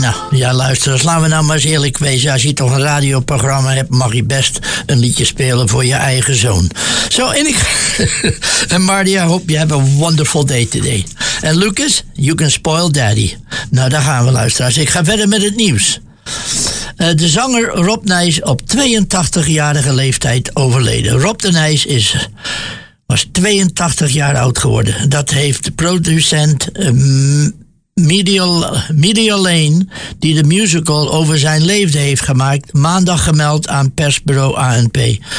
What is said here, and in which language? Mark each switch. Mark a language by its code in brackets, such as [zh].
[nl] Ja, luisteraars, laten we nou maar eens eerlijk wezen. Als je toch een radioprogramma hebt, mag je best een liedje spelen voor je eigen zoon. Zo, en ik... [en] en Marty, I hope you have a wonderful day today. En Lucas, you can spoil daddy. [nl] Nou, daar gaan we, luisteraars. Ik ga verder met het nieuws. De zanger Rob Nijs op 82-jarige leeftijd overleden. Rob de Nijs was 82 jaar oud geworden. Dat heeft producent Media Lane, die de musical over zijn leven heeft gemaakt, maandag gemeld aan persbureau ANP.